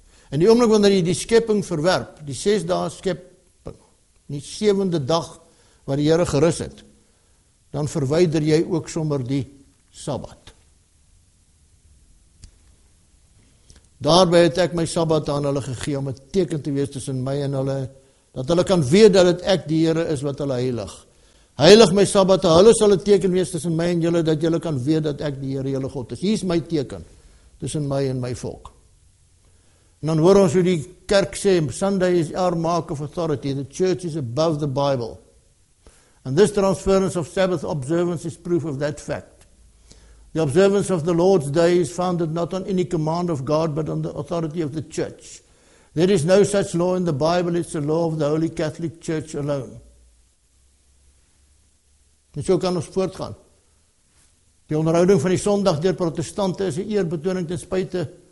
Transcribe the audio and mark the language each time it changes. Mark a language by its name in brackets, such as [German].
[Afrikaans] En die oomblik wanneer hy die skepping verwerp, die ses dae skepping, die sewende dag waar die Here gerus het, dan verwyder jy ook sommer die Sabbat. Daarby het ek my Sabbat aan hulle gegee om 'n teken te wees tussen my en hulle, dat hulle kan weet dat het ek die Here is wat hulle heilig. Heilig my Sabbat, hulle sal 'n teken wees tussen my en julle, dat julle kan weet dat ek die Here julle God is. Hier is my teken tussen my en my volk. En dan hoor ons hoe die kerk sê, [English] Sunday is our mark of authority, the church is above the Bible. And this transference of Sabbath observance is proof of that fact. The observance of the Lord's Day is founded not on any command of God, but on the authority of the church. There is no such law in the Bible, it's the law of the Holy Catholic Church alone. [Afrikaans] En so kan ons voortgaan. Die onderhouding van die Sondag deur protestante is 'n eerbetoning ten spyte